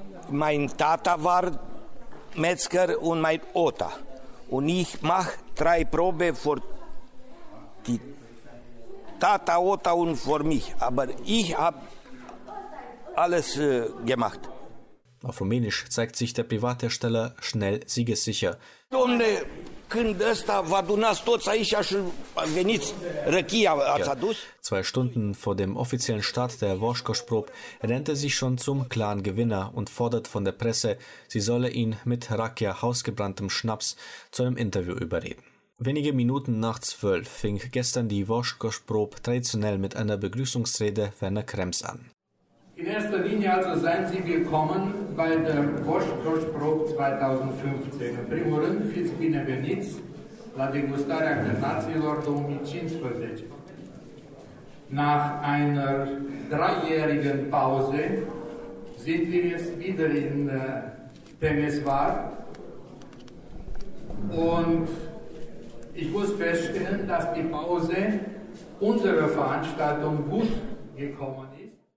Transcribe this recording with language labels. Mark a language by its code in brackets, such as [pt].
[de] Mein Tata war Metzger und mein Ota. Und ich mache 3 Proben für die Tata, Ota und für mich. Aber ich habe alles gemacht. Auf Rumänisch zeigt sich der Privathersteller schnell siegessicher. [ro] Domne, când ăsta va aduna toți aici și veniți, răchia ați adus? [de] 2 Stunden vor dem offiziellen Start der Wurstkostprobe rennt er sich schon zum klaren Gewinner und fordert von der Presse, sie solle ihn mit Rakia, hausgebranntem Schnaps, zu einem Interview überreden. Wenige Minuten nach 12 fing gestern die Wurstkostprobe traditionell mit einer Begrüßungsrede Werner Kremms an. In erster Linie also seien Sie willkommen bei der Wurstkostprobe 2015. [ro] In primul rând, fiți bineveniți la degustarea Cărnaților 2015. [de] Nach einer 3-jährigen Pause sind wir jetzt wieder in Temeswar und ich muss feststellen, dass die Pause unserer Veranstaltung gut gekommen ist.